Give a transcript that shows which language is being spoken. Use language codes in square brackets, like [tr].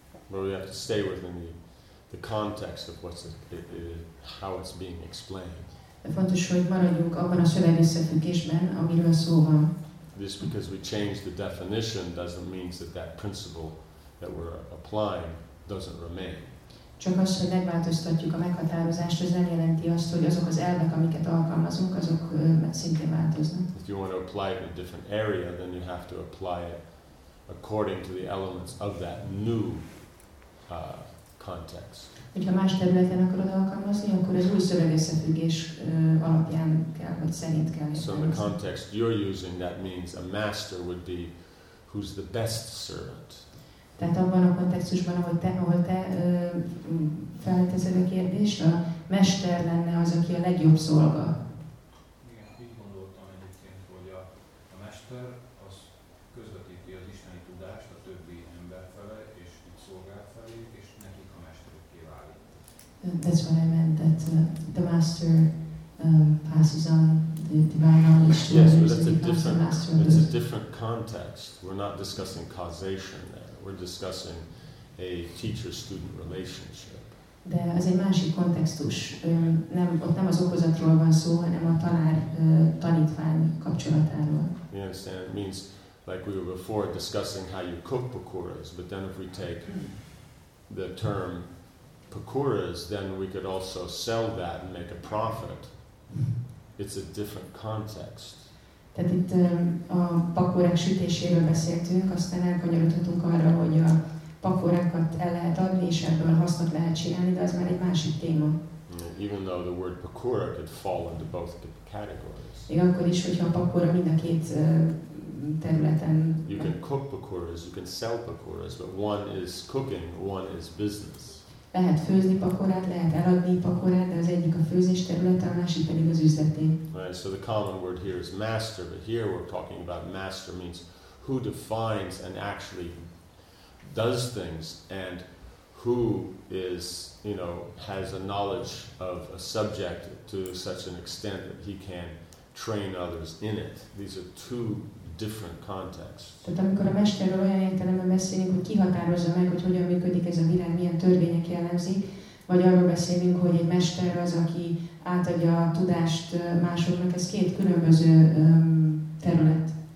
[en] But we have to stay within the context of what's how it's being explained. [hu] Fontos, hogy maradjunk abban a szöveg összefüggésben, amiről szó van. [en] Just because we change the definition doesn't mean that principle that we're applying doesn't remain. [hu] Csak az, hogy megváltoztatjuk a meghatározást, az nem jelenti azt, hogy azok az elvek, amiket alkalmazunk, azok szintén változnak. [en] If you want to apply it in a different area, then you have to apply it according to the elements of that new context. [hu] Hogyha más területen akarod alkalmazni, akkor az új szövegösszefüggés alapján kell, vagy szerint kell. [en] So in the context you're using, that means a master would be who's the best servant. [hu] Tehát abban a kontextusban, ahol te felteszed a kérdést, a mester lenne az, aki a legjobb szolga. Igen, így gondoltam egyébként, hogy a mester az közvetíti az isteni tudást a többi ember felé, és így szolgál felé, és nekik a mesterükké válik. [en] That's what I meant, that the master passes on the divine knowledge to others. Yes, but that's a different context. We're not discussing causation there. We're discussing a teacher-student relationship. [hu] De az egy másik kontextus. Nem az okozatról van szó, hanem a tanár-tanítvány kapcsolatáról. [en] You understand? It means, like we were before discussing how you cook pakoras, but then if we take the term pakoras, then we could also sell that and make a profit. It's a different context. [hu] Tehát itt a pakórák sütéséről beszéltünk, aztán elkanyarodhatunk arra, hogy a pakórákat el lehet adni, és ebből hasznot lehet csinálni, de az már egy másik téma. [en] Even though the word pakora could fall into both categories. [hu] Még akkor is, hogyha a pakóra mind a két területen... [en] You can cook pakoras, you can sell pakoras, but one is cooking, one is business. [hu] Lehet főzni pakorát, lehet eladni pakorát, de az egyik a főzés területe, a másik pedig az üzleté. [en] Right, so the common word here is master, but here we're talking about master means who defines and actually does things, and who is, you know, has a knowledge of a subject to such an extent that he can train others in it. These are two different context. [hu] Tehát amikor a mesterről olyan értelemben beszélünk, hogy ki határozza meg, hogy hogyan működik ez a világ, milyen törvények jellemzik, vagy arról beszélünk, hogy egy mester az, aki átadja a tudást másoknak, ez két különböző terület.